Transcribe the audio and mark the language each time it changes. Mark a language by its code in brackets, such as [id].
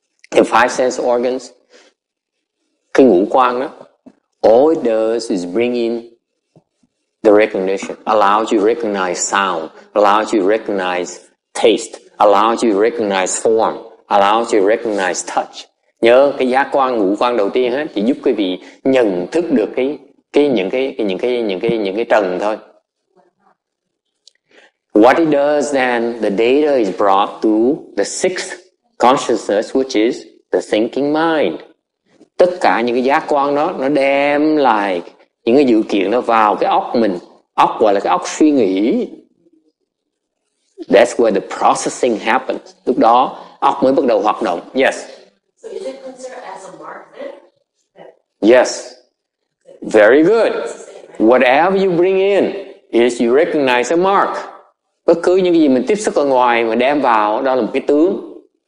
[en] The five sense organs, [vi] cái ngũ quan đó, [en] all it does is bring in the recognition, allows you to recognize sound, allows you to recognize taste, allows you to recognize form, allows you to recognize touch. [vi] Nhớ cái giác quan ngũ quan đầu tiên hết chỉ giúp quý vị nhận thức được những cái trần thôi. [en] What it does then, the data is brought to the sixth consciousness, which is the thinking mind. [vi] Tất cả những cái giác quan đó, nó đem lại những cái dự kiện nó vào cái óc mình. Óc gọi là cái óc suy nghĩ. [en] That's where the processing happens. [vi] Lúc đó, óc mới bắt đầu hoạt động. [en] Yes. So is it considered as a mark then? Yes. Very good. Whatever you bring in, is you recognize a mark. [vi] Bất cứ những cái gì mình tiếp xúc ở ngoài mà đem vào, đó là một cái tướng.